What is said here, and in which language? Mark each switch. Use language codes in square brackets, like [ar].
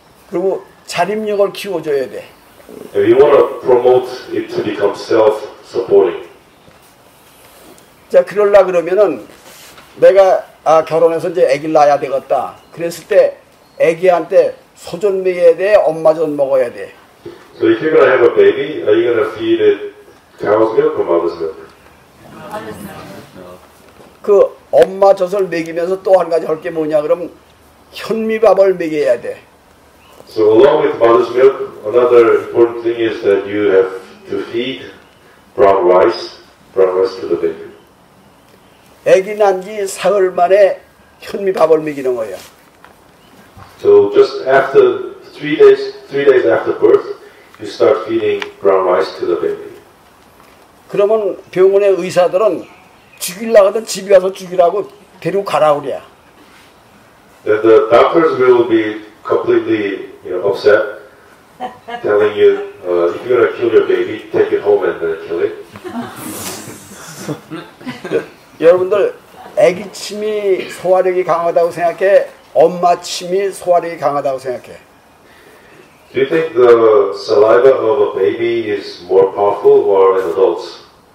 [ko] 그리고 자립력을 키워줘야 돼. [en] If you want to promote it to become self-supporting. [ko] 자, 그러려 그러면은 내가 아 결혼해서 이제 아기를 낳아야 되겠다. 그랬을 때 아기한테 소전 먹여야 돼, 엄마 전 먹어야 돼. [en] So if you're gonna have a baby, are you gonna feed it? Cow's milk or mother's milk? Mother's milk. [ko] 그 엄마 젖을 먹이면서 또 한 가지 할 게 뭐냐 그럼 현미밥을 먹여야 돼. [en] So along with mother's milk, another important thing is that you have to feed brown rice to the baby. [ko] 아기 난 지 사흘 만에 현미밥을 먹이는 거야. [en] So just after three days after birth, you start feeding brown rice to the baby. [ko] 그러면 병원의 의사들은 죽일라 하든 집에 가서 죽이라고 데리고 가라 그래. [en] Then the doctors will be completely, you know, upset, telling you, if you're gonna kill your baby, take it home and kill it. [ko] 여러분들 아기 침이 소화력이 강하다고 생각해. 엄마 침이 소화력이 강하다고 생각해. [en] Do you think the saliva of a baby is more powerful or an adult's?